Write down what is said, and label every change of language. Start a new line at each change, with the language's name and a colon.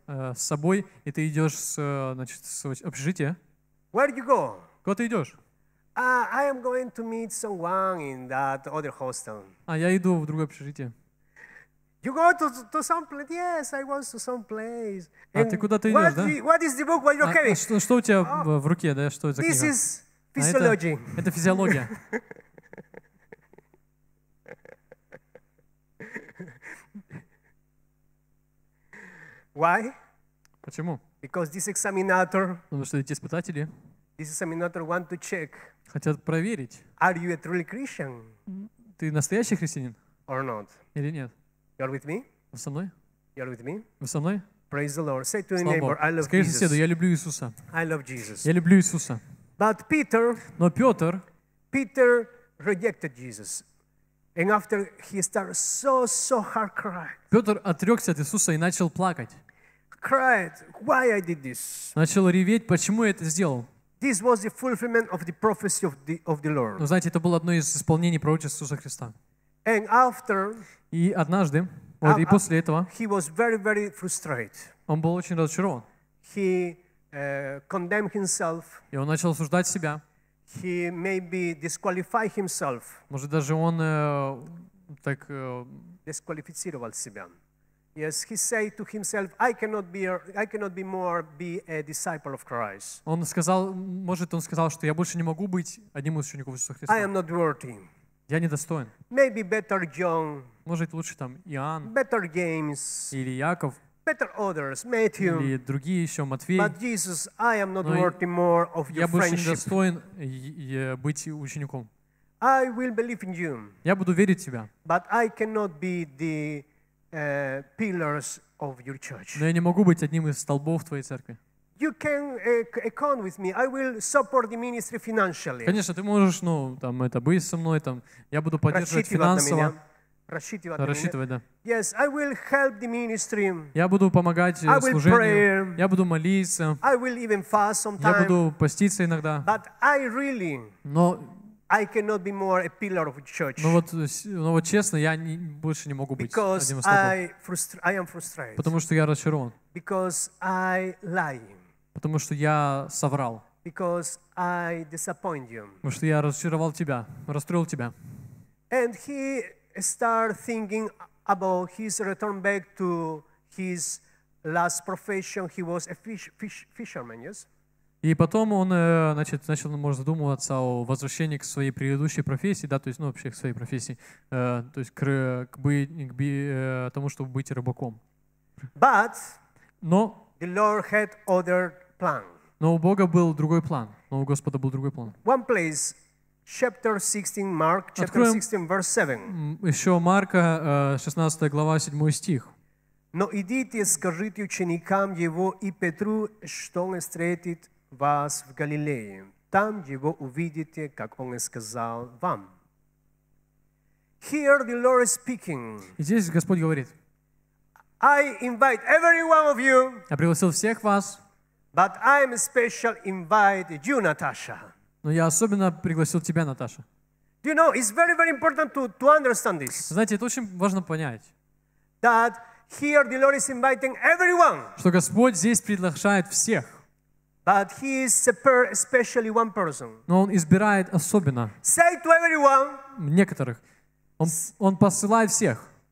Russian: С собой и ты идешь с, значит, с общежития.
English: Where do you go?
Russian: Куда ты идешь?
English: I am going to meet someone in that other hostel.
Russian: А я иду в другое общежитие.
English: You go to some place? Yes, I was to some place.
Russian: А ты куда ты идешь, да?
English: What is the book? What you carry?
Russian: Что у тебя в руке, да? Что это за книга?
English: This is physiology.
Russian: Это физиология.
English: Why?
Russian: Почему?
English: Because this examiner.
Russian: Потому что эти испытатели.
English: This examiner want to check.
Russian: Хотят проверить.
English: Are you a truly Christian?
Russian: Ты настоящий христианин?
English: Or not?
Russian: Или нет?
English: You're with me?
Russian: Вы со мной?
English: You're with me?
Russian: Вы со мной?
English: Praise the Lord. Say to your neighbor, I love
Russian: Jesus. Скажи соседу, я люблю Иисуса.
English: I love Jesus.
Russian: Я люблю Иисуса.
English: But Peter.
Russian: Но Петр.
English: Peter rejected Jesus. And after he started so hard crying.
Russian: Петр отрекся от Иисуса и начал плакать.
English: Cried, why I did this?
Russian: Начал реветь, почему я это сделал?
English: This was the fulfillment of the prophecy of the Lord.
Russian: Ну, знаете, это было одно из исполнений пророчества Иисуса Христа.
English: And after.
Russian: И однажды, вот, и после этого.
English: He was very frustrated.
Russian: Он был очень разочарован.
English: He condemned himself.
Russian: И он начал осуждать себя.
English: He maybe disqualify himself.
Russian: Может даже он так дисквалифицировал себя.
English: Yes, he said to himself, I cannot be a disciple of Christ.
Russian: Он сказал, может он сказал, что я больше не могу быть одним из учеников Иисуса Христа.
English: I am not worthy.
Russian: Я недостоин.
English: Maybe better John.
Russian: Может лучше там Иоанн.
English: Better James.
Russian: Или Яков.
English: Better others, Matthew.
Russian: Или другие еще, Матфей.
English: But Jesus, I am not worthy more of your friendship.
Russian: Я больше недостоин быть учеником.
English: I will believe in you.
Russian: Я буду верить в тебя.
English: But I cannot be the pillars of your church.
Russian: Но я не могу быть одним из столбов твоей церкви.
English: you can account with me. I will support the ministry financially.
Russian: Конечно, ты можешь, ну, там, это быть со мной, там, я буду поддерживать финансово. Рассчитывать, да.
English: Yes, I will help the ministry.
Russian: Я буду помогать служению. Я буду молиться.
English: I will even fast sometimes.
Russian: Я буду поститься иногда.
English: But I really,
Russian: но
English: I cannot be more a pillar of church.
Russian: Ну вот, честно, я не, больше не могу быть
English: Because
Russian: одним из столпов.
English: I am frustrated.
Russian: Потому что я разочарован.
English: Because I lie.
Russian: Потому что я соврал.
English: Because I disappoint you.
Russian: Потому что я разочаровал тебя, расстроил тебя.
English: And he start thinking about his return back to his last profession. He was a fisherman, yes?
Russian: И потом он, значит, начал, может, задумываться о возвращении к своей предыдущей профессии, да, то есть, ну, вообще к своей профессии, то есть к тому, чтобы быть рыбаком.
English: But
Russian: но
English: the Lord had other plan.
Russian: Но у Бога был другой план. Но у Господа был другой план.
English: One place, chapter 16, Mark, chapter 16, verse 7.
Russian: Еще Марка, 16 глава, 7 стих. Но идите, скажите ученикам его и Петру, что он встретит вас в Галилее. Там его увидите, как он и сказал вам.
English: Here the Lord is speaking.
Russian: И здесь Господь говорит.
English: I invite every one of you.
Russian: Я пригласил всех вас.
English: But I am special invite you, Natasha.
Russian: Но я особенно пригласил тебя, Наташа.
English: Do you know, it's very, very important to understand this.
Russian: Знаете, это очень важно понять.
English: That here the Lord is inviting everyone.
Russian: Что Господь здесь приглашает всех.
English: But he is especially one person.
Russian: Но он избирает особенно.
English: Say to everyone.
Russian: Некоторых. Он посылает всех.